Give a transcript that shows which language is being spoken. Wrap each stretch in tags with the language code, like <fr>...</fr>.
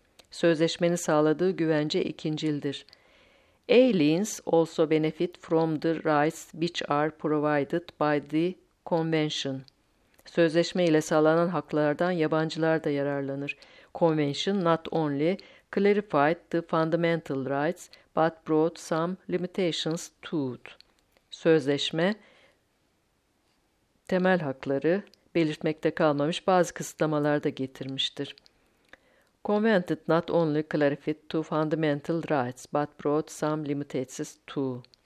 <tr>Sözleşmenin sağladığı güvence ikincildir.</tr> <en>Aliens also benefit from the rights which are provided by the convention.</en> <tr>Sözleşme ile sağlanan haklardan yabancılar da yararlanır.</tr> <en>Convention not only clarified the fundamental rights but brought some limitations to it.</en> <tr>Sözleşme temel hakları belirtmekte kalmamış, bazı kısıtlamalar da getirmiştir.</tr> <en>Convention not only clarified the fundamental rights but brought some limitations to.</en>